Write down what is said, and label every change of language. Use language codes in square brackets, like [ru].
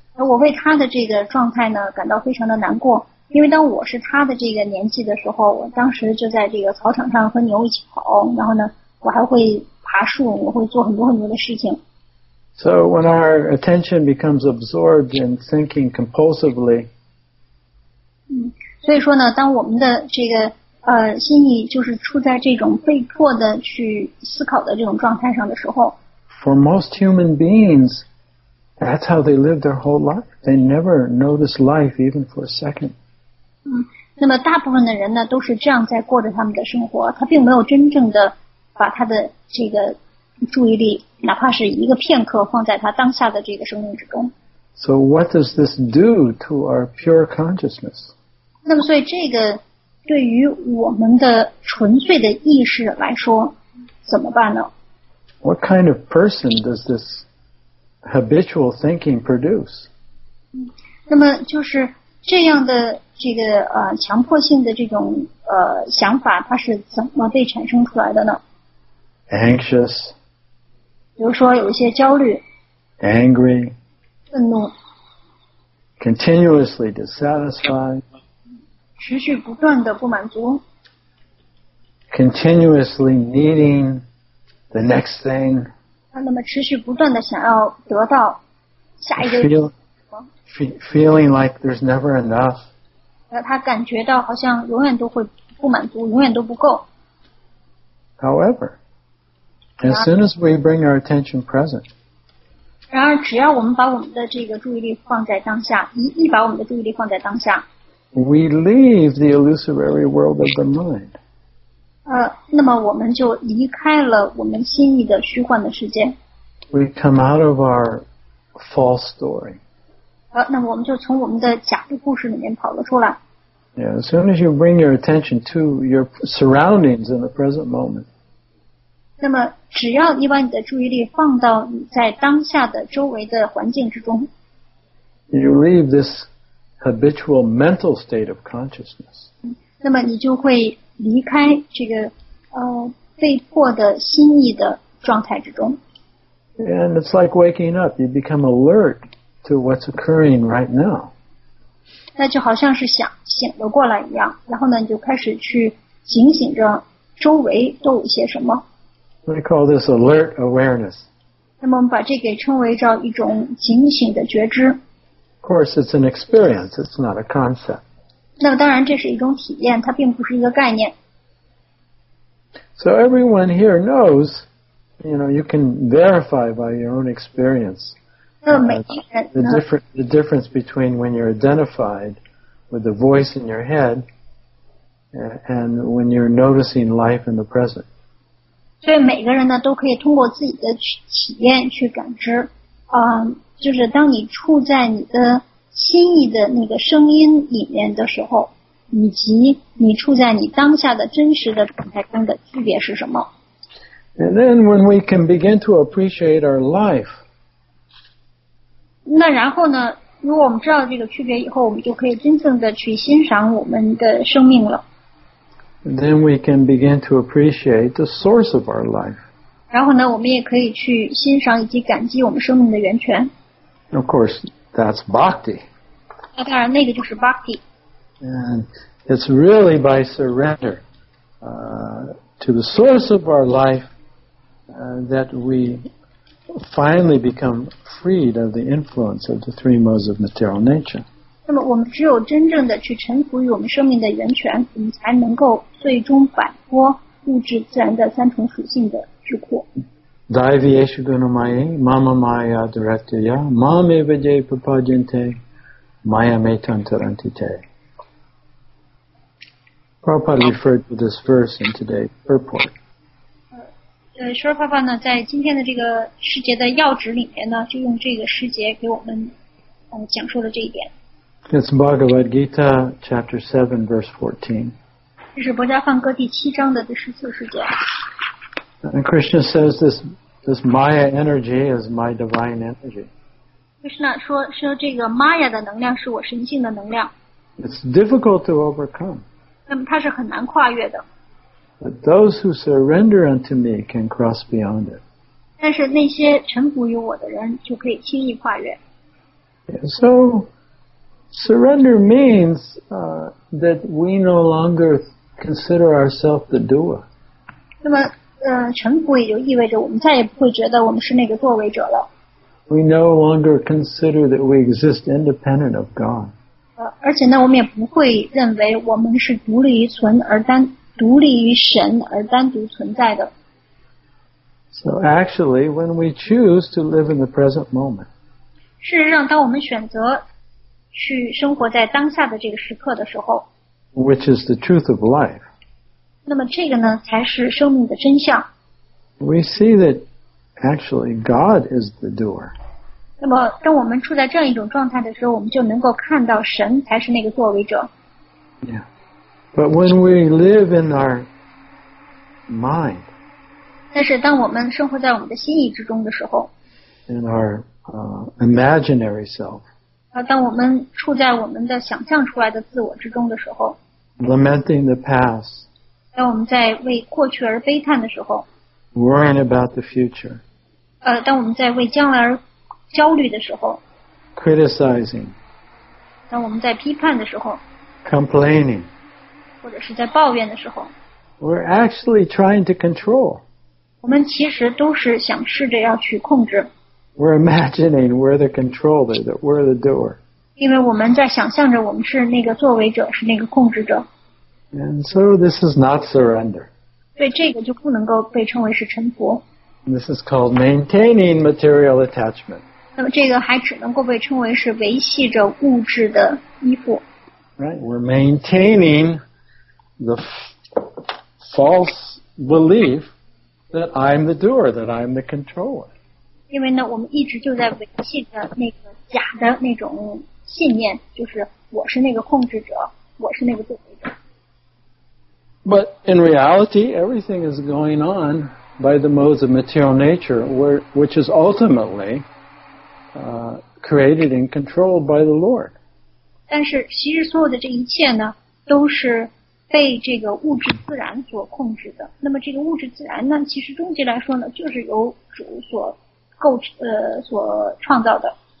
[zh] 我为他的这个状态呢感到非常的难过，因为当我是他的这个年纪的时候，我当时就在这个草场上和牛一起跑，然后呢，我还会爬树，我会做很多很多的事情。 [en] So when our attention becomes absorbed in thinking compulsively, [zh] 所以说呢，当我们的这个心意就是处在这种被迫的去思考的这种状态上的时候， [en] for most human beings, that's how they live their whole life. They never notice life even for a second. [zh] 那么大部分的人呢，都是这样在过着他们的生活，他并没有真正的把他的这个注意力哪怕是一个片刻放在他当下的这个生命之中。 [en] So what does this do to our pure consciousness? [zh] 那么所以这个对于我们的纯粹的意识来说怎么办呢？ [en] What kind of person does this habitual thinking produce? [zh] 那么就是这样的这个强迫性的这种想法它是怎么被产生出来的呢？ [en] Anxious， [zh] 比如说有一些焦虑 [en] ，angry， [zh] 愤怒 [en] ，continuously dissatisfied， [zh] 持续不断的不满足 [en] ，continuously needing the next thing， [zh] 那么持续不断的想要得到下一个 [en] feeling like there's never enough， [zh] 那他感觉到好像永远都会不满足，永远都不够 [en] ，however。 As soon as we bring our attention present, [zh] 然而只要我们把我们的这个注意力放在当下，一把我们的注意力放在当下， [en] we leave the illusory world of the mind. [zh] 那么我们就离开了我们心意的虚幻的世界。 [en] We come out of our false story. [zh] 那么我们就从我们的假的故事里面跑了出来。 [en] Yeah, as soon as you bring your attention to your surroundings in the present moment. [zh] 那么只要你把你的注意力放到你在当下的周围的环境之中， [en] You leave this habitual mental state of consciousness. [zh] 那么你就会离开这个被迫的心意的状态之中。 [en] And it's like waking up. You become alert to what's occurring right now. [zh] 那就好像是醒了过来一样，然后呢你就开始去警醒着周围都有些什么。 [en] We call this alert awareness. [zh] 那么我们把这给称为叫一种警醒的觉知。 [en] course, it's an experience. It's not a concept. [zh] 那当然这是一种体验，它并不是一个概念。 [en] So everyone here knows, you know, you can verify by your own experience the difference between when you're identified with the voice in your head and when you're noticing life in the present. [zh] 所以每个人呢都可以通过自己的体验去感知、就是当你处在你的心意的那个声音里面的时候以及你处在你当下的真实的状态中的区别是什么 [en] And then when we can begin to appreciate our life [zh] 那然后呢如果我们知道这个区别以后我们就可以真正的去欣赏我们的生命了 [en] Then we can begin to appreciate the source of our life [zh] 然后呢我们也可以去欣赏以及感激我们生命的源泉 [en] Of course, that's bhakti [zh] 那当然那个就是 bhakti [en] And it's really by surrender to the source of our life that we finally become freed of the influence of the three modes of material nature. [zh] 那么我们只有真正的去臣服于我们生命的源泉，我们才能够最终摆脱物质自然的三重属性的桎梏。 [sa] Daivyeshu gunamaye mama maya dhrityaya mame vijaye papajante maya metan tarantite. [en] Prabhupada referred to this verse in today's purport. [zh] Prabhupada 呢在今天的这个师节的要旨里面呢就用这个师节给我们讲述了这一点。 [en] It's Bhagavad Gita, chapter 7, verse 14. [zh] 这是博迦梵歌第七章的第十四师节。 [en] And Krishna says this Maya energy is my divine energy. [zh] Krishna 说这个 Maya 的能量是我神性的能量。 [en] It's difficult to overcome. [zh] 那么它是很难跨越的。 [en] But those who surrender unto me can cross beyond it. [zh] 但是那些臣服于我的人就可以轻易跨越。 [en] Yeah, so, surrender means that we no longer consider ourselves the doer. [zh] 那么臣服也就意味着我们再也不会觉得我们是那个作为者了。 [en] We no longer consider that we exist independent of God. [zh] 而且呢我们也不会认为我们是独立于神而单独存在的。 [en] So actually, when we choose to live in the present moment, [zh] 事实上当我们选择去生活在当下的这个时刻的时候 [en] which is the truth of life, [zh] 那么这个呢才是生命的真相。 [en] We see that actually God is the doer. [zh] 那么当我们处在这样一种状态的时候我们就能够看到神才是那个作为者。 [en] Yeah. But when we live in our mind, [zh] 但是当我们生活在我们的心意之中的时候 [en] in our imaginary self, [zh] 当我们处在我们的想象出来的自我之中的时候 [en] lamenting the past, [zh] 当我们在为过去而悲叹的时候 [en] worrying about the future, [zh] 当我们在为将来而焦虑的时候 [en] criticizing [zh] 当我们在批判的时候 [en] complaining [zh] 或者是在抱怨的时候 [en] we're actually trying to control [zh] 我们其实都是想试着要去控制 [en] we're imagining we're the controller that we're the doer [zh] 因为我们在想象着我们是那个作为者是那个控制者 [en] and so this is not surrender [zh] 对这个就不能够被称为是臣服 [en] This is called maintaining material attachment. [zh] 那么这个还只能够被称为是维系着物质的依附。 [en] Right, we're maintaining the false belief that I'm the doer, that I'm the controller. [zh] 因为呢，我们一直就在维系着那个假的那种信念，就是我是那个控制者，我是那个作为者。 [en] But in reality, everything is going on. By the modes of material nature, which is ultimately created and controlled by the Lord. [zh] 但是其实所有的这一切呢，都是被这个物质自然所控制的。那么这个物质自然呢，其实终极来说呢，就是由主所构所创造的。